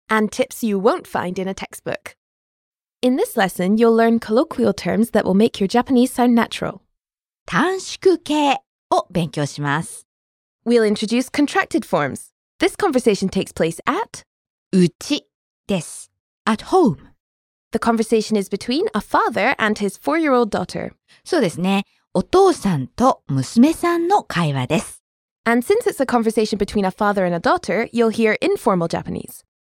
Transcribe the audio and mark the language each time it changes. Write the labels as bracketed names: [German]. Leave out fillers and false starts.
[English] and tips you won't find in a textbook. In this lesson, you'll learn colloquial terms that will make your Japanese sound natural. [Japanese] 短縮形を勉強します。 [English] We'll introduce contracted forms. This conversation takes place at... [Japanese] うちです。 [English] At home. The conversation is between a father and his four-year-old daughter. [Japanese] そうですね。お父さんと娘さんの会話です。 [English] And since it's a conversation between a father and a daughter, you'll hear informal Japanese.